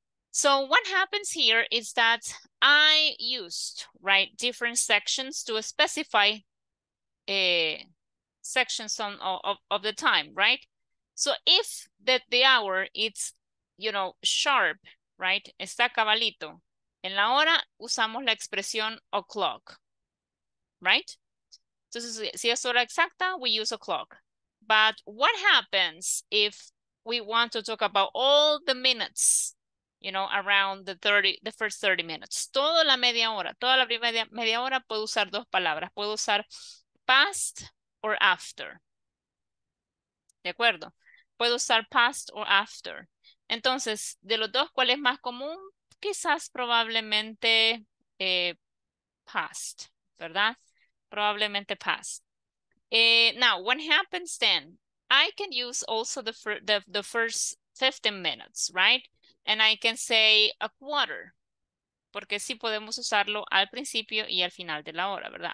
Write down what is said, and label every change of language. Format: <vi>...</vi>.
<en>So what happens here is that I used, right, different sections to specify sections of the time, right? So if the hour it's, you know, sharp, right?</en> <es>Está cabalito. En la hora usamos la expresión o'clock, right? Entonces, si es hora exacta,</es> <en>we use o'clock. But what happens if we want to talk about all the minutes, you know, around the first 30 minutes?</en> <es>Toda la media hora, toda la primera media hora, puedo usar dos palabras. Puedo usar past or after. ¿De acuerdo? Puedo usar past or after. Entonces, de los dos, ¿cuál es más común? Quizás probablemente past, ¿verdad? Probablemente past.</es> <en>Now, what happens then? I can use also the first 15 minutes, right? And I can say a quarter.</en> <es>Porque sí podemos usarlo al principio y al final de la hora, ¿verdad?</es>